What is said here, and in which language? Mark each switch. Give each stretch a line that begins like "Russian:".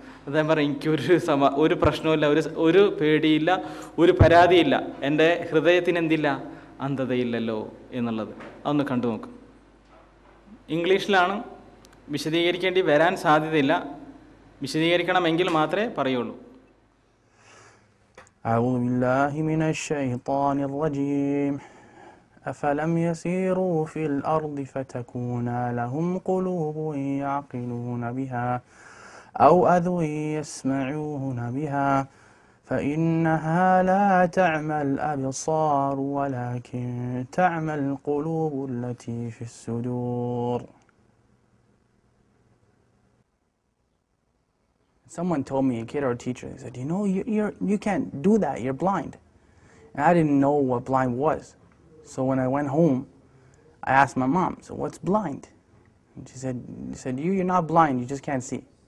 Malayalam: അദ്ദേഹം പറയും, എനിക്കൊരു ഒരു പ്രശ്നവുമില്ല, ഒരു പേടിയില്ല, ഒരു പരാതിയില്ല, എൻ്റെ ഹൃദയത്തിന് എന്തില്ല? അന്ധതയില്ലല്ലോ എന്നുള്ളത്. അതൊന്ന് കണ്ടു നോക്ക്. ഇംഗ്ലീഷിലാണ്, വിശദീകരിക്കേണ്ടി വരാൻ സാധ്യതയില്ല, വിശദീകരിക്കണമെങ്കിൽ മാത്രമേ പറയുള്ളൂ.
Arabic: أعوذ بالله من الشيطان الرجيم أفلم يسيروا في الأرض فتكون لهم قلوب يعقلون بها أو أذن يسمعون بها فإنها لا تعمى الأبصار ولكن تعمى القلوب التي في الصدور.
English: Someone told me, a kid or a teacher, they said, you know, you can't do that, you're blind. And I didn't know what blind was. So when I went home, I asked my mom, so what's blind? And she said, you're not blind, you just can't see.